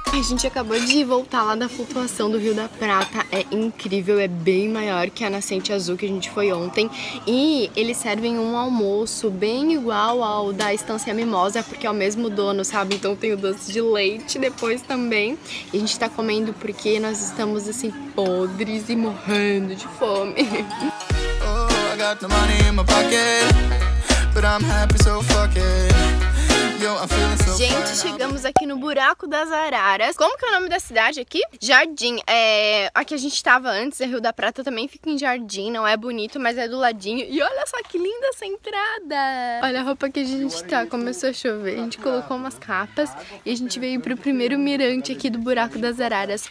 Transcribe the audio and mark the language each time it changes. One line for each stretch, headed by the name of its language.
Portuguese: gente acabou de voltar lá da flutuação do Rio da Prata. É incrível, é bem maior que a Nascente Azul que a gente foi ontem. E eles servem um almoço bem igual ao da Estância Mimosa, porque é o mesmo dono, sabe? Então tem o doce de leite depois também. E a gente tá comendo porque nós estamos assim, podres e morrendo de fome.
English: Oh, I got the money in my pocket, but I'm happy so fuck it.
Portuguese: Gente, chegamos aqui no Buraco das Araras. Como que é o nome da cidade aqui? Jardim. É, aqui a gente tava antes, é Rio da Prata, também fica em Jardim. Não é bonito, mas é do ladinho. E olha só que linda essa entrada. Olha a roupa que a gente tá. Começou a chover. A gente colocou umas capas e a gente veio pro primeiro mirante aqui do Buraco das Araras.